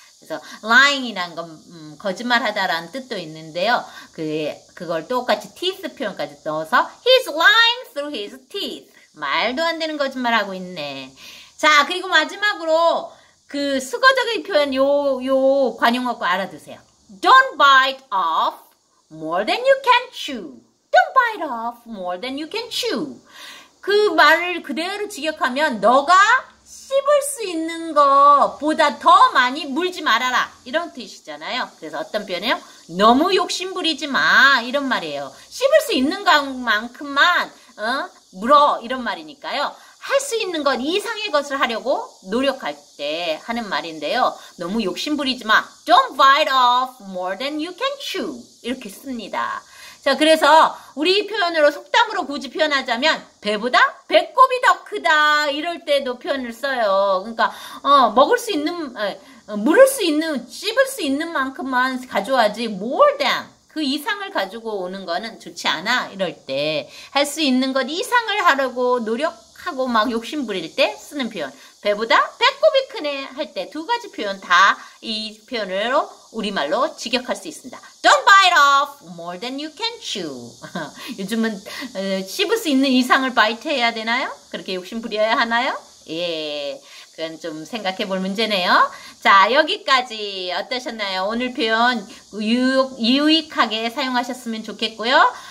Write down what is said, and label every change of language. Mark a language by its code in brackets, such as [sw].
[ko] 그래서 lying이란 건 거짓말하다라는 뜻도 있는데요. 그걸 똑같이 teeth 표현까지 넣어서 [en] he's lying through his teeth. [ko] 말도 안 되는 거짓말하고 있네. 자, 그리고 마지막으로 그 수거적인 표현 요 관용어 꼭 알아두세요. [en] Don't bite off more than you can chew. Don't bite off more than you can chew. [ko] 그 말을 그대로 직역하면 너가 씹을 수 있는 것보다 더 많이 물지 말아라. 이런 뜻이잖아요. 그래서 어떤 표현이에요? 너무 욕심 부리지 마. 이런 말이에요. 씹을 수 있는 것만큼만 물어. 이런 말이니까요. 할 수 있는 것 이상의 것을 하려고 노력할 때 하는 말인데요. 너무 욕심 부리지 마. [en] Don't bite off more than you can chew. [ko] 이렇게 씁니다. 자, 그래서 우리 표현으로 속담으로 굳이 표현하자면 배보다 배꼽이 더 크다. 이럴 때도 표현을 써요. 그러니까 먹을 수 있는 물을 수 있는 씹을 수 있는 만큼만 가져와지 more than 그 이상을 가지고 오는 거는 좋지 않아. 이럴 때 할 수 있는 것 이상을 하려고 노력 하고 막 욕심 부릴 때 쓰는 표현. 배보다 배꼽이 크네 할 때 두 가지 표현 다 이 표현으로 우리말로 직역할 수 있습니다. [en] Don't bite off more than you can chew. [ko] 요즘은 씹을 수 있는 이상을 바이트 해야 되나요? 그렇게 욕심 부려야 하나요? 예, 그건 좀 생각해 볼 문제네요. 자, 여기까지 어떠셨나요? 오늘 표현 유익하게 사용하셨으면 좋겠고요.